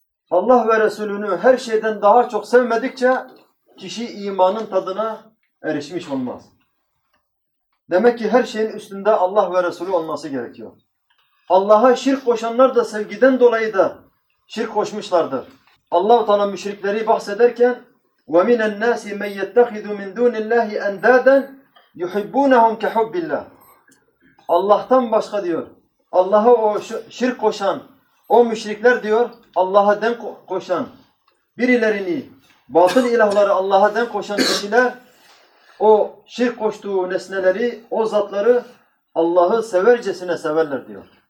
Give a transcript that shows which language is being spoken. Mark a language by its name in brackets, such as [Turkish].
[Turkish] Allah ve Resulünü her şeyden daha çok sevmedikçe kişi imanın tadına erişmiş olmaz. Demek ki her şeyin üstünde Allah ve Resulü olması gerekiyor. Allah'a şirk koşanlar da sevgiden dolayı da şirk koşmuşlardır. Allah-u Teala müşrikleri bahsederken [Arabic] وَمِنَ النَّاسِ مَنْ يَتَّخِذُ مِنْ دُونِ اللّٰهِ اَنْدَادًا يُحِبُّونَهُمْ كَحُبِّ اللّٰهِ. [Turkish] Allah'tan başka diyor, Allah'a o şirk koşan, o müşrikler diyor, Allah'a denk koşan, birilerini, batıl ilahları Allah'a denk koşan kişiler, o şirk koştuğu nesneleri, o zatları Allah'ı severcesine severler diyor.